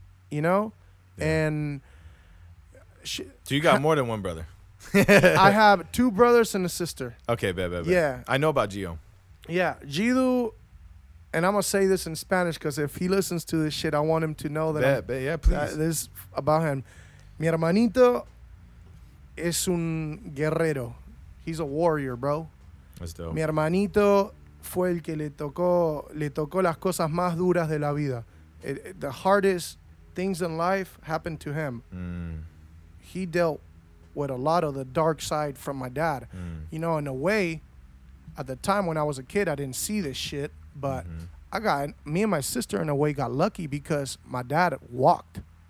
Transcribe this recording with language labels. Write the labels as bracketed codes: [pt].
[en] You know? Yeah. And so you got more than one brother? I have two brothers and a sister. Okay, bad. Yeah. I know about Gio. Yeah. Gio, and I'm going to say this in Spanish because if he listens to this shit, I want him to know that. Please. This is about him. [es] Mi hermanito es un guerrero. [en] He's a warrior, bro. That's dope. [es] Mi hermanito fue el que le tocó las cosas más duras de la vida. [en] The hardest things in life happened to him. He dealt with a lot of the dark side from my dad. You know, in a way, at the time when I was a kid, I didn't see this shit, but me and my sister in a way got lucky because my dad walked.